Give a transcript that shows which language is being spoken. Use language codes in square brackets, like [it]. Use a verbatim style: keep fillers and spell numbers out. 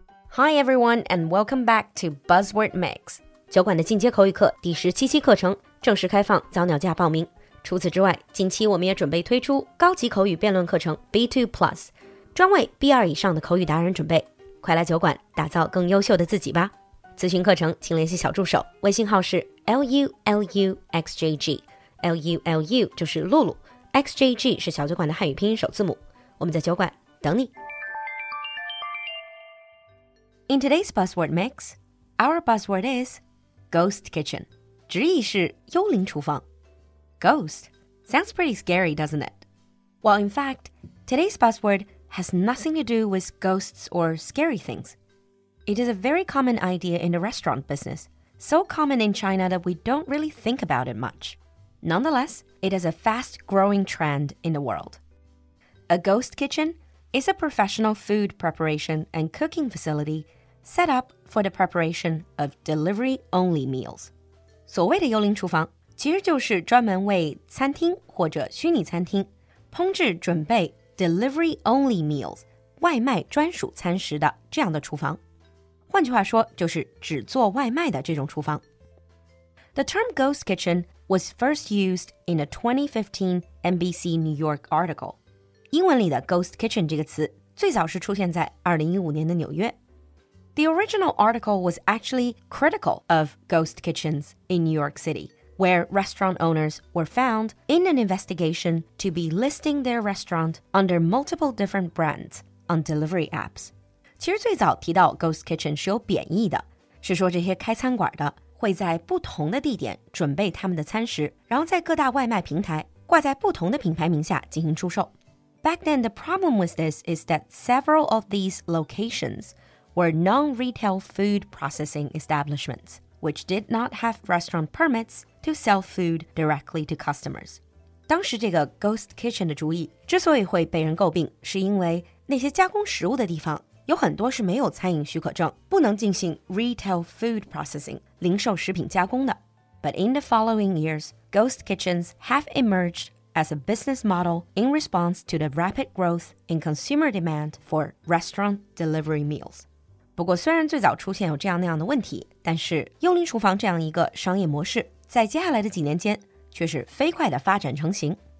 [en] Hi everyone and welcome back to Buzzword Mix. [zh] 酒馆的进阶口语课第十七期课程正式开放，早鸟价报名。除此之外，近期我们也准备推出高级口语辩论课程 B two plus, 专为 B two 以上的口语达人准备。快来酒馆，打造更优秀的自己吧。咨询课程请联系小助手，微信号是 L U L U X J G。 L U L U 就是露露 ，X J G 是小酒馆的汉语拼音首字母。我们在酒馆等你。 [en] In today's buzzword mix, our buzzword is ghost kitchen. [zh] 直译是幽灵厨房。 [en] Ghost sounds pretty scary, doesn't it? Well, in fact, today's buzzword has nothing to do with ghosts or scary things. It is a very common idea in the restaurant business, so common in China that we don't really think about it much. Nonetheless, it is a fast-growing trend in the world. A ghost kitchen is a professional food preparation and cooking facility set up for the preparation of delivery-only meals. [zh] 所谓的幽灵厨房，其实就是专门为餐厅或者虚拟餐厅烹制准备 [en] delivery-only meals, [zh] 外卖专属餐食的这样的厨房。换句话说，就是只做外卖的这种厨房。 [en] The term ghost kitchen was first used in a twenty fifteen N B C New York article. [zh] 英文里的 ghost kitchen 这个词最早是出现在二零一五年的纽约。 [en] The original article was actually critical of ghost kitchens in New York City, where restaurant owners were found in an investigation to be listing their restaurant under multiple different brands on delivery apps. [zh] 其实最早提到 ghost kitchen 是有贬义的，是说这些开餐馆的会在不同的地点准备他们的餐食，然后在各大外卖平台挂在不同的品牌名下进行出售。 [en] Back then, the problem with this is that several of these locations were non-retail food processing establishments, which did not have restaurant permits to sell food directly to customers. [zh] 当时这个 ghost kitchen 的主意之所以会被人诟病，是因为那些加工食物的地方有很多是没有餐饮许可证，不能进行 [en] retail food processing, [zh] 零售食品加工的。 [en] But in the following years, ghost kitchens have emerged as a business model in response to the rapid growth in consumer demand for restaurant delivery meals. [zh] 不过虽然最早出现有这样那样的问题，但是幽灵厨房这样一个商业模式，在接下来的几年间却是飞快地发展成型。